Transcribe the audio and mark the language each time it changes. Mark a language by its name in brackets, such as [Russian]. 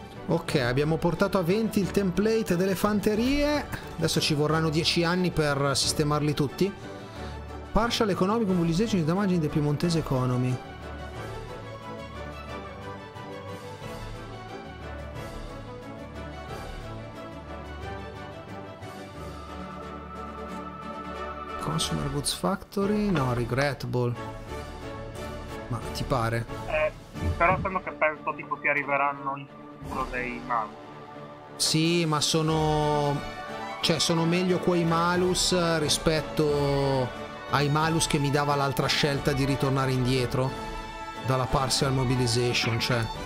[Italian] Ok, abbiamo portato a 20 il template delle fanterie. Adesso ci vorranno 10 anni per sistemarli tutti. [English] Partial economic mobilization damage in the Piemontese economy. Consumer goods factory? No, regrettable. [Italian] Ma ti pare? Però sembra che penso tipo che arriveranno in... dei malus. Sì, ma sono, cioè, sono meglio quei malus rispetto ai malus che mi dava l'altra scelta di ritornare indietro dalla partial mobilization, cioè.